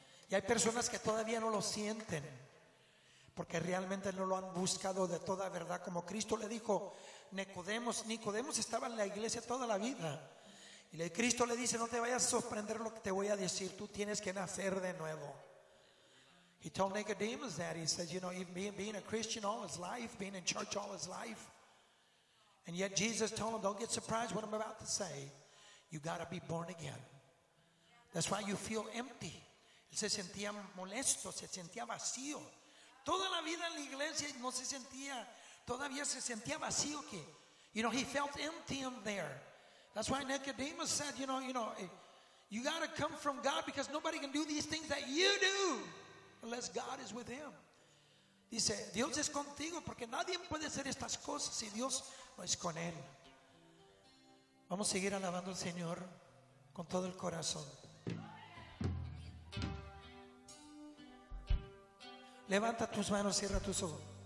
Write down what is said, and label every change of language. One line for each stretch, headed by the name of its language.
Spanish: Y hay personas que todavía no lo sienten, porque realmente no lo han buscado de toda verdad. Como Cristo le dijo Nicodemos estaba en la iglesia toda la vida, y Cristo le dice: no te vayas a sorprender lo que te voy a decir, tú tienes que nacer de nuevo.
English: He told Nicodemus that. He said, you know, even being a Christian all his life, being in church all his life, and yet Jesus told him, don't get surprised what I'm about to say. You got to be born again. That's why you feel empty.
Spanish: Él se sentía molesto, se sentía vacío. Toda la vida en la iglesia no se sentía, todavía se sentía vacío.
English: Que, you know, he felt empty in there. That's why Nicodemus said, you know, you got to come from God, because nobody can do these things that you do unless God is with him.
Spanish: Dice, Dios es contigo, porque nadie puede hacer estas cosas si Dios no es con él. Vamos a seguir alabando al Señor con todo el corazón. Levanta tus manos, cierra tus ojos.